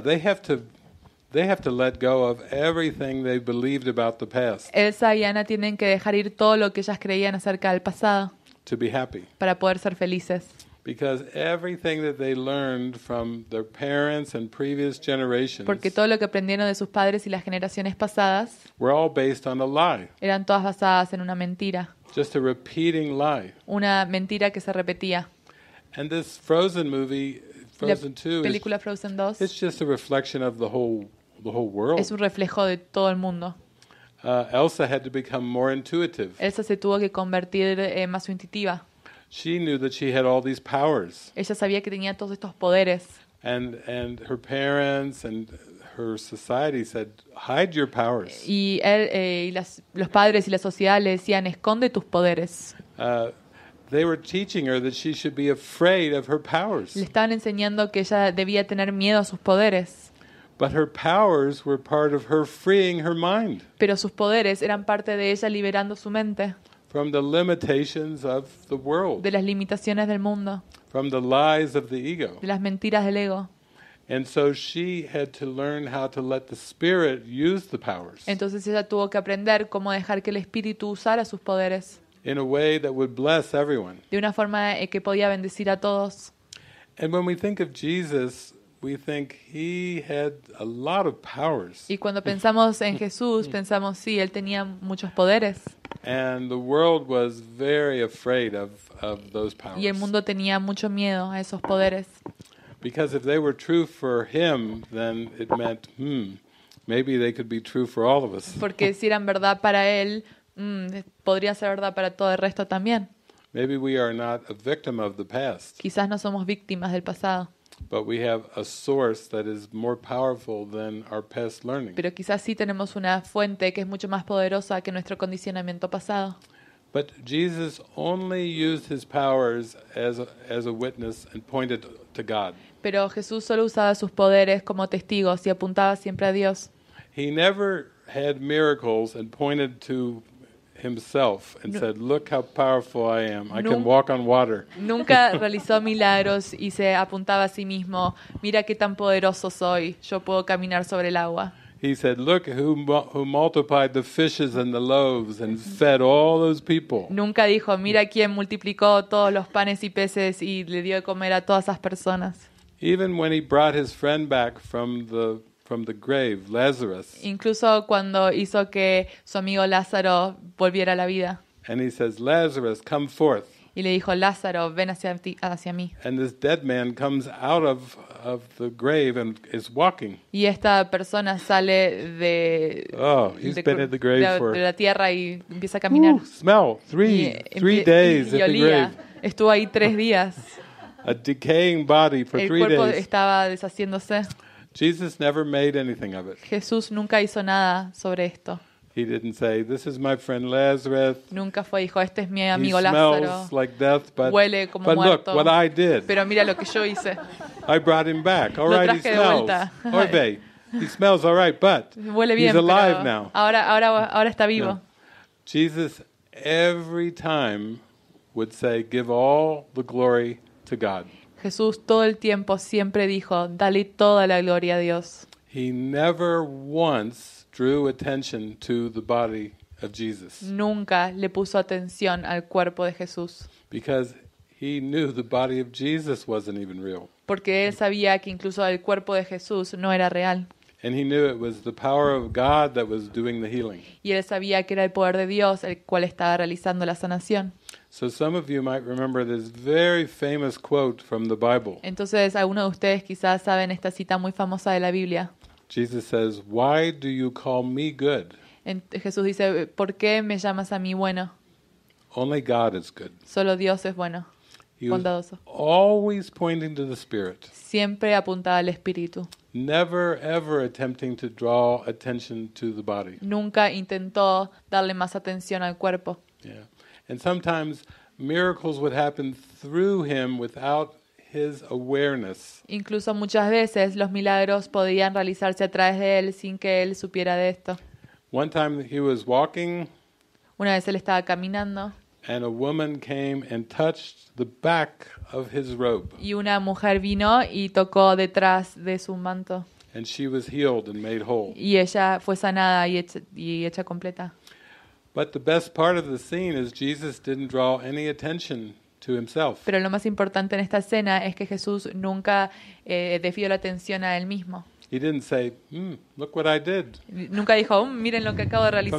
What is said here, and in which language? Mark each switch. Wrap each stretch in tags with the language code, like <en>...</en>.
<en>They have to let go of everything they believed about the past.</en> <es>Elsa y Anna tienen que dejar ir todo lo que ellas creían acerca del pasado.</es> <en>To be happy.</en> <es>Para poder ser felices.</es> <en>Because everything that they learned from their parents and previous generations.</en> <es>Porque todo lo que aprendieron de sus padres y las generaciones pasadas.</es> <en>Were all based on a lie.</en> <es>Eran todas basadas en una mentira.</es> <en>Just a repeating lie.</en> <es>Una mentira que se repetía.</es> <en>And this Frozen movie, Frozen 2.</en> <es>La película Frozen 2.</es> <en>It's just a reflection of the whole world.</en> <es>Es un reflejo de todo el mundo.</es> <en>Elsa had to become more intuitive.</en> <es>Elsa se tuvo que convertir más intuitiva.</es> <en>She knew that she had all these powers.</en> <es>Ella sabía que tenía todos estos poderes.</es> <en>And her parents and her society said, hide your powers.</en> <es>Y él, los padres y la sociedad le decían, esconde tus poderes.</es> <en>They were teaching her that she should be afraid of her powers.</en> <es>Le estaban enseñando que ella debía tener miedo a sus poderes.</es> <en>But her powers were part of her freeing her mind.</en> <es>Pero sus poderes eran parte de ella liberando su mente.</es> <en>From the limitations of the world.</en> <es>De las limitaciones del mundo.</es> <en>From the lies of the ego.</en> <es>De las mentiras del ego.</es> <en>And so she had to learn how to let the spirit use the powers.</en> <es>Entonces ella tuvo que aprender cómo dejar que el espíritu usara sus poderes.</es> <en>In a way that would bless everyone.</en> <es>De una forma que podía bendecir a todos.</es> <en>And when we think of Jesus, we think he had a lot of powers.</en> <es>Y cuando pensamos en Jesús, pensamos sí, él tenía muchos poderes.</es> <en>And the world was very afraid of those powers.</en> <es>Y el mundo tenía mucho miedo a esos poderes.</es> <en>Because if they were true for him, then it meant, maybe they could be true for all of us.</en> <es>Porque si eran verdad para él, podría ser verdad para todo el resto también.</es> <en>Maybe we are not a victim of the past.</en> <es>Quizás no somos víctimas del pasado.</es> <en>But we have a source that is more powerful than our past learning.</en> <es>Pero quizás sí tenemos una fuente que es mucho más poderosa que nuestro condicionamiento pasado.</es> <en>But Jesus only used his powers as a witness and pointed to God.</en> <es>Pero Jesús solo usaba sus poderes como testigos y apuntaba siempre a Dios.</es> <en>He never had miracles and pointed to himself and said, "Look how powerful I am. I can walk on water."</en> <es>Nunca realizó milagros y se apuntaba a sí mismo. Mira qué tan poderoso soy. Yo puedo caminar sobre el agua.</es> <en>He said, "Look who multiplied the fishes and the loaves and fed all those people."</en> <es>Nunca dijo, "Mira quién multiplicó todos los panes y peces y le dio de comer a todas esas personas."</es> <en>Even when he brought his friend back from the grave, Lazarus.</en> <es>Incluso cuando hizo que su amigo Lázaro volviera a la vida.</es> <en>And he says, "Lazarus, come forth."</en> <es>Y le dijo, "Lázaro, ven hacia mí."</es> <en>And this dead man comes out of the grave and is walking.</en> <es>Y esta persona sale de la tierra y empieza a caminar.</es> <en>Smell, three days in the grave.</en> <es>Estuvo ahí tres días.</es> <en>A decaying body for 3 days.</en> <es>El cuerpo estaba deshaciéndose.</es> <en>Jesus never made anything of it.</en> <es>Jesús nunca hizo nada sobre esto.</es> <en>He didn't say, "This is my friend Lazarus."</en> <es>Nunca fue, dijo, "Este es mi amigo Lázaro."</es> <en>He smells like death, but</en> <es>huele como muerto.</es> <en>But look what I did.</en> <es>Pero mira lo que yo hice.</es> <en>I brought him back. All right, he smells. Orbe, he smells all right, but</en> <es>huele bien,</es> <en>he's alive now.</en> <es>Ahora está vivo. No.</es> <en>Jesus every time would say, "Give all the glory to God."</en> <es>Jesús todo el tiempo siempre dijo, dale toda la gloria a Dios.</es> <en>He never once drew attention to the body of Jesus.</en> <es>Nunca le puso atención al cuerpo de Jesús.</es> <en>Because he knew the body of Jesus wasn't even real.</en> <es>Porque él sabía que incluso el cuerpo de Jesús no era real.</es> <en>And he knew it was the power of God that was doing the healing.</en> <es>Y él sabía que era el poder de Dios el cual estaba realizando la sanación.</es> <en>So some of you might remember this very famous quote from the Bible.</en> <es>Entonces, algunos de ustedes quizás saben esta cita muy famosa de la Biblia.</es> <en>Jesus says, "Why do you call me good?"</en> <es>Jesús dice, "¿Por qué me llamas a mí bueno?"</es> <en>Only God is good.</en> <es>Solo Dios es bueno.</es> <en>He</en> <es>bondadoso.</es> <en>Always pointing to the Spirit.</en> <es>Siempre apuntaba al Espíritu.</es> <en>Never ever attempting to draw attention to the body.</en> <es>Nunca intentó darle más atención al cuerpo.</es> <en>Yeah. And sometimes miracles would happen through him without his awareness.</en> <es>Incluso muchas veces los milagros podían realizarse a través de él sin que él supiera de esto.</es> <en>One time he was walking.</en> <es>Una vez él estaba caminando.</es> <en>And a woman came and touched the back of his robe.</en> <es>Y una mujer vino y tocó detrás de su manto.</es> <en>And she was healed and made whole.</en> <es>Y ella fue sanada y hecha completa.</es> <en>But the best part of the scene is Jesus didn't draw any attention to himself.</en> <es>Pero lo más importante en esta escena es que Jesús nunca desvió la atención a él mismo.</es> <en>He didn't say, "Look what I did."</en> <es>Nunca dijo, "Miren lo que acabo de realizar."</es>